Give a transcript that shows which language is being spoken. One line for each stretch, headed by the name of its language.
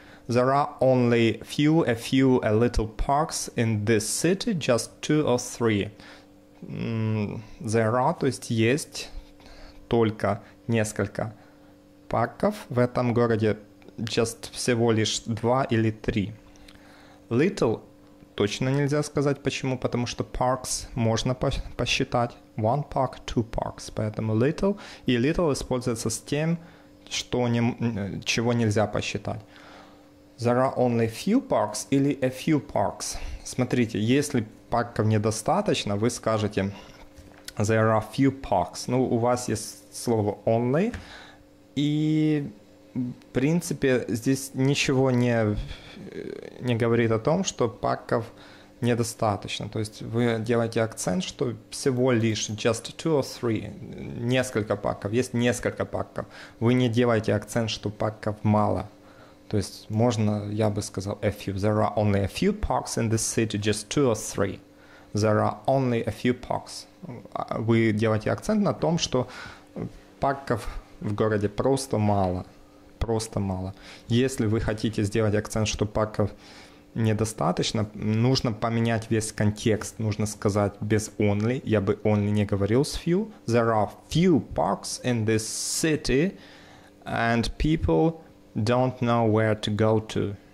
English: There are only a few, a little parks in this city, just two or three. There are,
Russian: то есть есть только несколько парков в этом городе, just всего лишь два или три. Little точно нельзя сказать, почему, потому что parks можно посчитать.
English: One park, two parks, поэтому little.
Russian: И little используется с тем, чего нельзя посчитать.
English: There are only few parks или a few parks.
Russian: Смотрите, если парков недостаточно, вы скажете
English: there are few parks.
Russian: Ну, у вас есть слово only. И, в принципе, здесь ничего не говорит о том, что парков недостаточно. То есть вы делаете акцент, что всего лишь
English: just two or three,
Russian: несколько парков, есть несколько парков. Вы не делаете акцент, что парков мало. То есть можно, я бы сказал, a few.
English: There are only a few parks in the city, just two or three. There are only a few parks.
Russian: Вы делаете акцент на том, что парков в городе просто мало. Просто мало. Если вы хотите сделать акцент, что парков недостаточно, нужно поменять весь контекст. Нужно сказать без only. Я бы only не говорил с few.
English: There are few parks in this city, and people don't know where to go to.